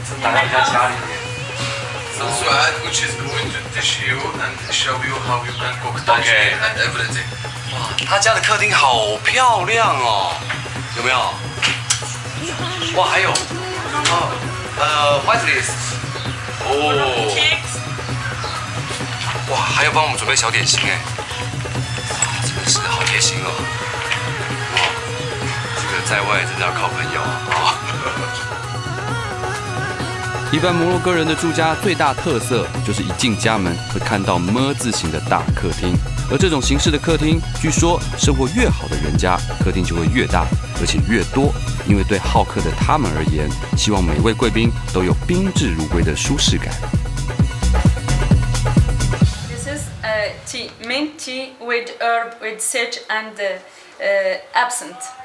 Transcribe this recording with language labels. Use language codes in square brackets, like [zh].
[zh] 打开家里。 [en] So Suad, which is going to teach you and show you how you can cook dishes、 okay. and everything. 哇， [zh] 他家的客厅好漂亮哦，有没有？哇，还有， [en] white list. [zh] 哦。哇，还要帮我们准备小点心哎。哇，真的是好贴心哦。在外真的要靠朋友啊！一般摩洛哥人的住家最大特色就是一进家门会看到么字形的大客厅，而这种形式的客厅，据说生活越好的人家客厅就会越大，而且越多，因为对好客的他们而言，希望每位贵宾都有宾至如归的舒适感。 [en] This is a tea, mint tea with herb, with sage and absinthe.